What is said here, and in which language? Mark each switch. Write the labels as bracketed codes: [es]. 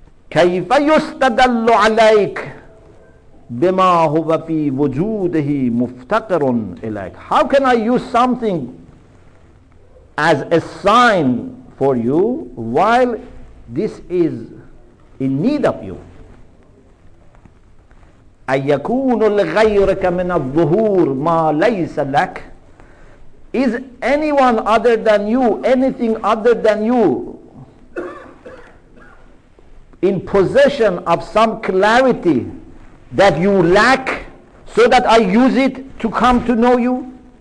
[ar] كَيْفَ يُسْتَدَلُّ عَلَيْكَ بِمَا هُوَ فِي وَجُودِهِ مُفْتَقِرٌ إِلَيْكَ. [en] How can I use something as a sign for you while this is in need of you? [ar] أن يكون لغيرك من الظهور ما ليس لك. [en] Is anyone other than you, anything other than you, in possession of some clarity that you lack so that I use it to come to know you?